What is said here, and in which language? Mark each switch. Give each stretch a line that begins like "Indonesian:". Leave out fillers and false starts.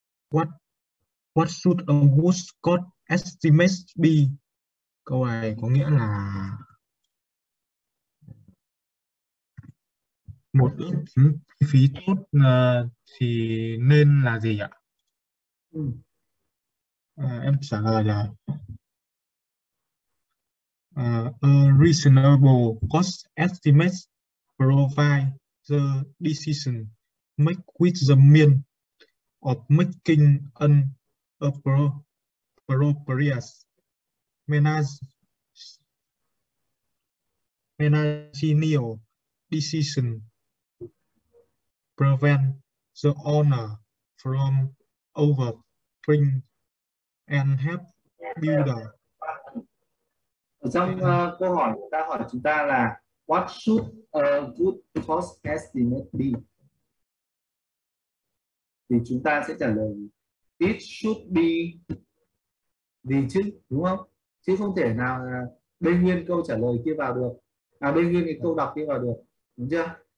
English: What should a wood cost estimate be?
Vietnamese: Câu này có nghĩa là một ước tính chi phí tốt thì nên là gì ạ? Em trả lời là
English: a reasonable cost estimate provide the decision make with the mean of making an appropriate managerial decision prevent the owner from overpaying and help builder.
Vietnamese: Trong câu hỏi ta hỏi chúng ta là
English: what should a good cost estimate be?
Vietnamese: Thì chúng ta sẽ trả lời
English: it should be
Vietnamese: gì chứ, đúng không? Chứ không thể nào đương nhiên câu trả lời kia vào được, à đương nhiên cái câu đọc kia vào được, đúng chưa?